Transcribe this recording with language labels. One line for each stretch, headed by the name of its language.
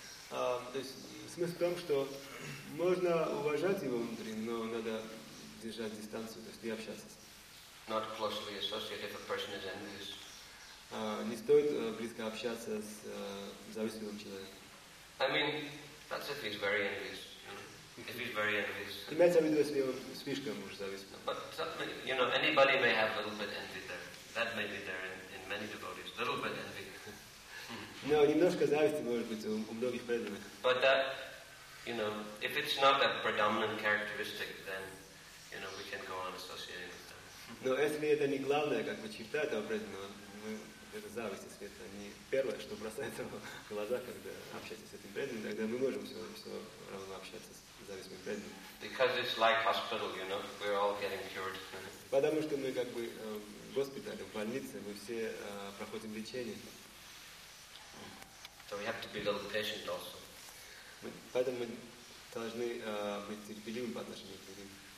Russian: То есть смысл в том, что можно уважать его внутри, но надо держать дистанцию, то есть не общаться с ним.
English: Not closely associated if a person is envious.
Russian: Не стоит близко общаться с завистливым человеком.
English: I mean, that's if he's very envious. If he's very envious.
Russian: Имеется в виду, если он слишком уж завистлив.
English: But you know, anybody may have a little bit envy there. That may be there in many devotees. Little bit envy.
Russian: Но немножко зависти может быть у многих преданных.
English: But that, you know, if it's not a predominant characteristic, then you know we can go on associating with them.
Russian: Но если это не главное, как бы черта этого преданного, это зависть, если это не первое, что бросается в глаза, когда общаетесь с этим преданным, тогда мы можем все равно общаться с зависимым преданным.
English: Because it's like hospital, you know, we're all getting cured.
Russian: Потому что мы как бы в госпитале, в больнице, мы все проходим лечение.
English: So we have to be a little patient also.
Russian: Поэтому мы должны быть терпеливыми по отношению к людям.